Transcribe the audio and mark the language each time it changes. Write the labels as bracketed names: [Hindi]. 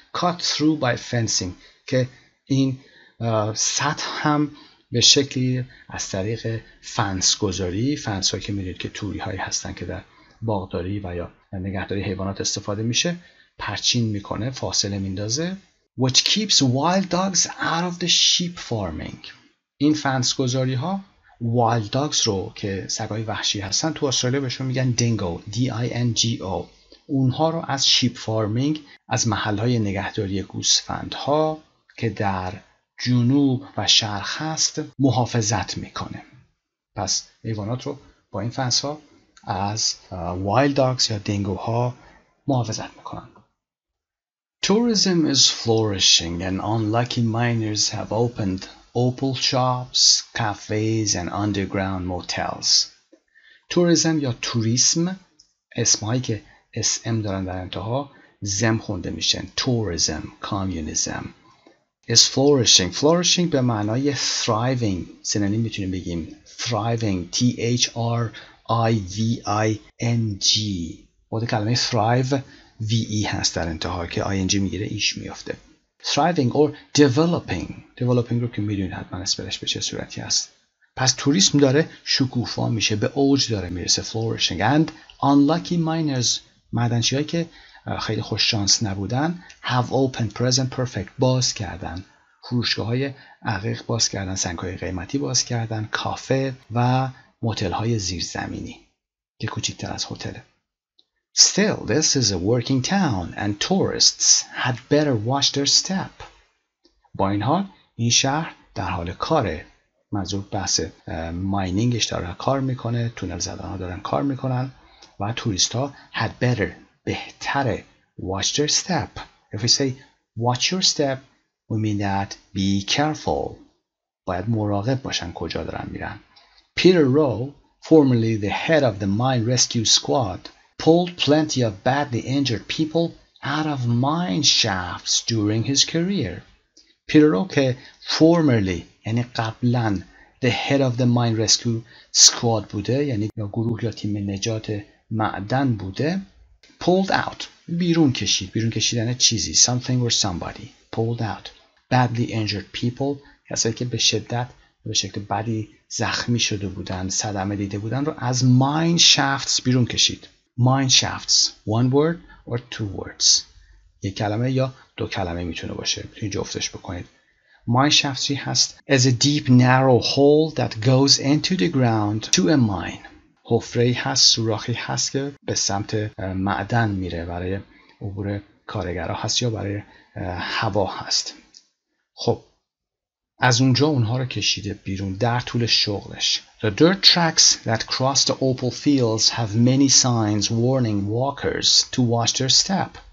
[English] cut through by fencing [Persian] که این سطح هم به شکلی از طریق فنس گذاری، فنس هایی که میدید که توری هایی هستن که در باغداری و یا نگهداری حیوانات استفاده میشه، پرچین میکنه، فاصله میندازه. [English] which keeps wild dogs out of the sheep farming. [Persian] این فنس گذاری ها wild dogs رو که سگای وحشی هستن، تو استرالیا بهشون میگن dingo، D-I-N-G-O، اونها رو از sheep farming، از محل های نگهداری گوسفند ها که در جنوب و شرق هست محافظت میکنه. پس حیوانات رو با این فنس ها از وایلد داگز یا دنگو ها محافظت میکنن. [English] Tourism is flourishing and unlucky miners have opened opal shops, cafes and underground motels. [Persian] Tourism یا توریسم، اسمایی که اسم دارن در انتها زم خونده میشن. [English] Tourism, communism. Is flourishing. [Persian] Flourishing به معنای thriving. سنانی میتونیم بگیم thriving. [English] T-H-R-I-V-I-N-G. [Persian] بوده کلمه thrive V-E هست در انتها که ING میگیره ایش میفته. [English] Thriving or developing. [Persian] Developing رو که میدونید حتما اسپلش به چه صورتی هست. پس توریسم داره شکوفا میشه. به اوج داره میرسه. Flourishing. [English] And unlucky miners. [Persian] معدنچی هایی که خیلی خوش شانس نبودن [English] have opened [Persian] present perfect باز کردن فروشگاه های عقیق باز کردن سنگ های قیمتی باز کردن کافه و موتل های زیرزمینی که کوچیک‌تر از هتل. [English] Still this is a working town and tourists had better watch their step. [Persian] با این حال این شهر در حال کاره، منظور بحث ماینینگش داره کار میکنه، تونل زدن ها دارن کار میکنن و توریست ها [English] had better [Persian] بهتره [English] watch your step. If we say watch your step we mean that be careful. [Persian] باید مراقب باشن کجا دارن میرن. [English] Peter Rowe, formerly the head of the mine rescue squad, pulled plenty of badly injured people out of mine shafts during his career. [Persian] Peter Rowe که formerly یعنی قبلن [English] the head of the mine rescue squad [Persian] بوده، یعنی یا گروه یا تیم نجات معدن بوده، pulled out بیرون کشید، بیرون کشیدن چیزی [English] something or somebody. Pulled out badly injured people، [Persian] کسایی که به شدت به شکل بدی زخمی شده بودن، صدمه دیده بودن رو از mine shafts بیرون کشید. [English] Mine shafts one word or two words، [Persian] یک کلمه یا دو کلمه میتونه باشه، میتونید جفتش بکنید. [English] Mine shafts [Persian] هست [English] as a deep narrow hole that goes into the ground to a mine. [Persian] حفره هست، سوراخی هست که به سمت معدن میره، برای عبور کارگرا هست یا برای هوا هست. خب از اونجا اونها رو کشیده بیرون در طول شغلش. [English] The dirt tracks that cross the opal fields have many signs warning walkers to watch their step.